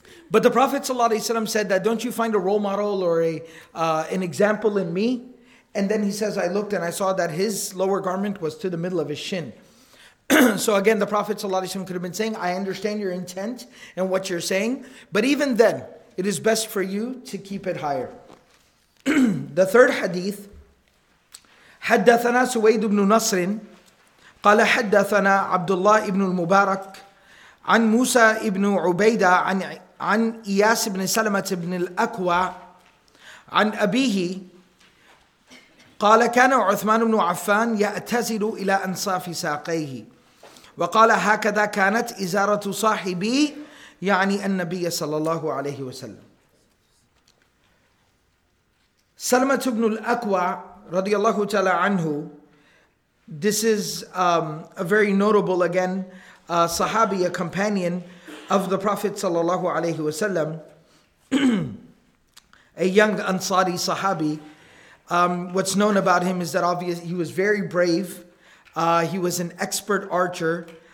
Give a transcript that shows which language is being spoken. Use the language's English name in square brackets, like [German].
[English] But the Prophet ﷺ said that, don't you find a role model or an example in me? And then he says, I looked and I saw that his lower garment was to the middle of his shin. So again, the Prophet ﷺ could have been saying, I understand your intent and what you're saying, but even then, it is best for you to keep it higher. The third hadith, [Arabic] حَدَّثَنَا سُوَيْدُ بْنُ نَصْرٍ قَالَ حَدَّثَنَا عَبْدُ اللَّهِ إِبْنُ الْمُبَارَكِ عَنْ مُوسَى إِبْنُ عُبَيْدَةٍ عَنْ إِيَاسِ بْنِ سَلَمَةِ بْنِ الْأَكْوَى عَنْ أَبِيهِ قال كان عثمان بن عفان يأتزل إلى أنصاف ساقيه وقال هكذا كانت إزارة صاحبي يعني النبي صلى الله عليه وسلم. سلمة بن الأكوع رضي الله تعالى عنه. [English] This is a very notable again Sahabi, a companion of the Prophet صلى الله عليه وسلم, a young Ansari Sahabi. What's known about him is that obviously he was very brave. He was an expert archer.